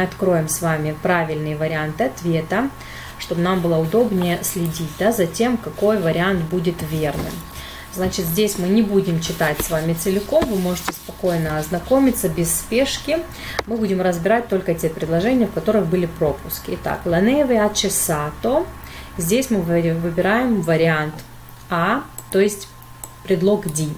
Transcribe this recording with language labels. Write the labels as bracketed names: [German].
[Russian] Мы откроем с вами правильные варианты ответа, чтобы нам было удобнее следить, да, за тем, какой вариант будет верным. Значит, здесь мы не будем читать с вами целиком, вы можете спокойно ознакомиться без спешки. Мы будем разбирать только те предложения, в которых были пропуски. [Italian] Итак, «La neve ha cessato». [Russian] Здесь мы выбираем вариант «A», то есть предлог «di».